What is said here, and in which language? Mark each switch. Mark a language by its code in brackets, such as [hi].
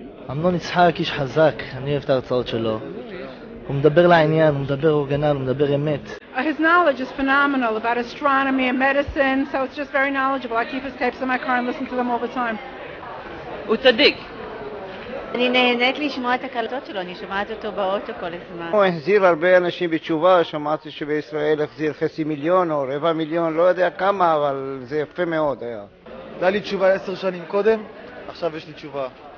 [he] אמנון יצחק איש חזק, אני אוהב את ההרצאות שלו. הוא מדבר לעניין, הוא מדבר אורגנל, הוא מדבר אמת. [en] His knowledge is phenomenal about astronomy and medicine, so it's just very knowledgeable. I keep his tapes in my car and listen to them all the time. [he] הוא צדיק. אני נהנית לשמוע את הקלטות שלו, אני שומעת אותו באוטו כל הזמן. הוא החזיר הרבה אנשים בתשובה, שמעתי שבישראל החזיר חצי מיליון או רבע מיליון, לא יודע כמה, אבל זה יפה מאוד היה. היה לי תשובה 10 שנים קודם, עכשיו יש לי תשובה.